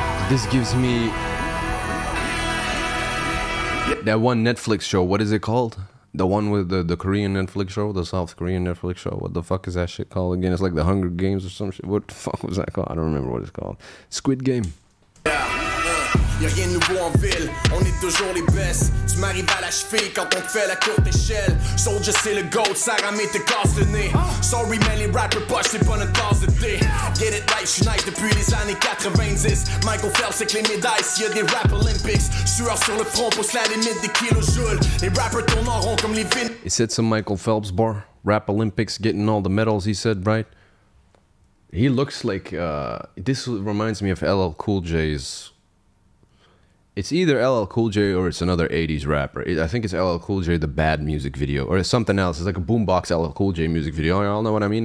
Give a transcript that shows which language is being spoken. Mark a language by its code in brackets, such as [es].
[en] This gives me that one Netflix show. What is it called? The one with the Korean Netflix show, the South Korean Netflix show. What the fuck is that shit called again? It's like The Hunger Games or some shit. What the fuck was that called? I don't remember what it's called. Squid Game. Yeah. [fr] Y'a rien de nouveau en ville, on est toujours les best. Tu m'arrives à la cheville quand on fait la courte échelle. Soldier c'est le gold, Sarahme te casse le nez. [en] Sorry man, [fr] les rappers push, c'est pas notre tasse de thé. [en] Get it right, [fr] je suis nice depuis les années 90. Michael Phelps avec les médailles, s'il y a des rap olympics. Sueur sur le front, pousse la limite des kilojoules. Les rappers tournent en rond comme les vins. [en] Is it some Michael Phelps bar? Rap olympics, getting all the medals, he said, right? He looks like, this reminds me of LL Cool J's. It's either LL Cool J or it's another 80s rapper. I think it's LL Cool J, the bad music video. Or it's something else. It's like a boombox LL Cool J music video. Y'all know what I mean?